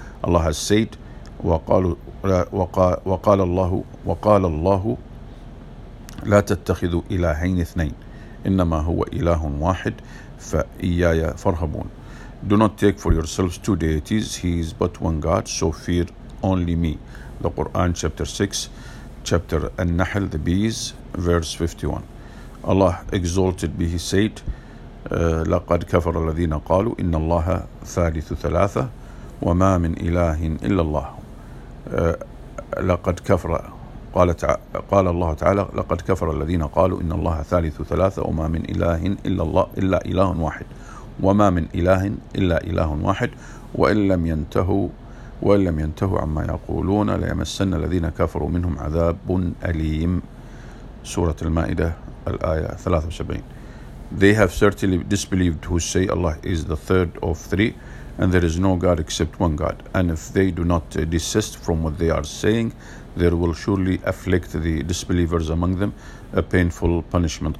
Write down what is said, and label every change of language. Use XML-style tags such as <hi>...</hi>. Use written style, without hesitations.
<en>Allah has said,</en> <ar>وَقَالَ اللَّهُ لا تتخذوا إلهين اثنين إنما هو إله واحد. فَإِيَّايَ فَرْهَبُونَ.</ar> <en>Do not take for yourselves two deities, he is but one God, so fear only me. The Quran chapter 6, chapter An-Nahl, the bees, verse 51. Allah exalted be, he said,</en> <ar>لَقَدْ كَفَرَ الَّذِينَ قَالُوا إِنَّ اللَّهَ ثَالِثُ ثَلَاثَ وَمَا مِنْ إِلَهٍ إِلَّا اللَّهُ. لَقَدْ كَفَرَ قال الله تعالى لقد كفر الذين قالوا إن الله ثالث ثلاثة وما من إله إلا الله إلا إله واحد وما من إله إلا إله واحد وإن لم ينتهوا عما يقولون ليمسن الذين كفروا منهم عذاب أليم. سورة المائدة الآية 73.</ar> <en>They have certainly disbelieved who say Allah is the third of three and there is no God except one God, and if they do not desist from what they are saying, there will surely afflict the disbelievers among them a painful punishment.</en>